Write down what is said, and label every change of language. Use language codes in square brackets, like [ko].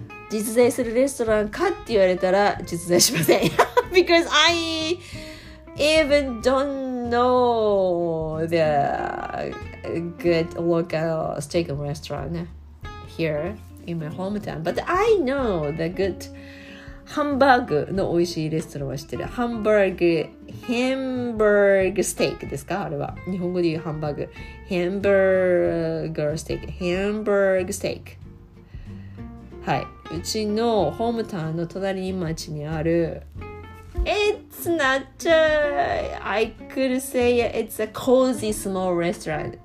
[ja] 実在するレストランかって言われたら実在しません。 [en] Because I even don't know the good local steak restaurant here in my hometown. But I know the good [ja] hamburger の美味しいレストランは知ってる。 Hamburger steak ですか、あれは。日本語で言うハンバーグ。 [en] Hamburger steak. Hamburger steak. [ja] はい。うちのホームタウンの隣に町にある。 [en] It's not a... I could say it's a cozy small restaurant.